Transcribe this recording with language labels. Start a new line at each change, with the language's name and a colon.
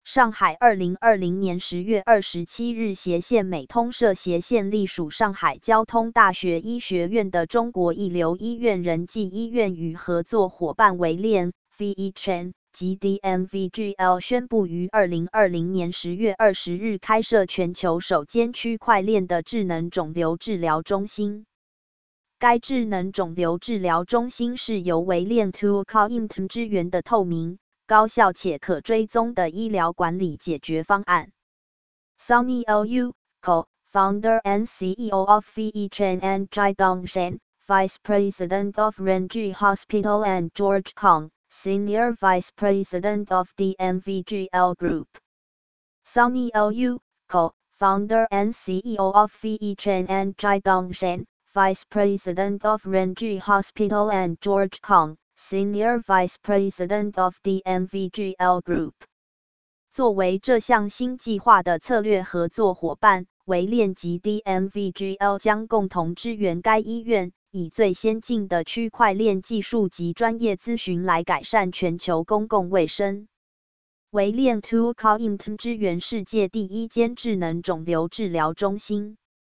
Chinese: 上海2020年10月27日/美通社/隶属上海交通大学医学院的中国一流医院仁济医院与合作伙伴维链 VEChain 及 DMVGL 宣布于2020年10月20日开设全球首间区块链的智能肿瘤治疗中心。该智能肿瘤治疗中心是由维链 2COINT 支援的透明、高效且可追踪的医疗管理解决方案。
English: Sunny Liu, Co-Founder and CEO of VEChain, and Zhai Dongshan, Vice President of Renji Hospital, and George Kong, Senior Vice President of DMVGL Group. Sunny Liu, Co-Founder and CEO of VEChain, and Zhai Dongshan, Vice President of Renji Hospital, and George Kong,Senior Vice President of DMVGL Group.
Chinese: 作为这项新计划的策略合作伙伴，维链及 DMVGL 将共同支援该医院，以最先进的区块链技术及专业咨询来改善全球公共卫生。维链 2COINT 支援世界第一间智能肿瘤治疗中心。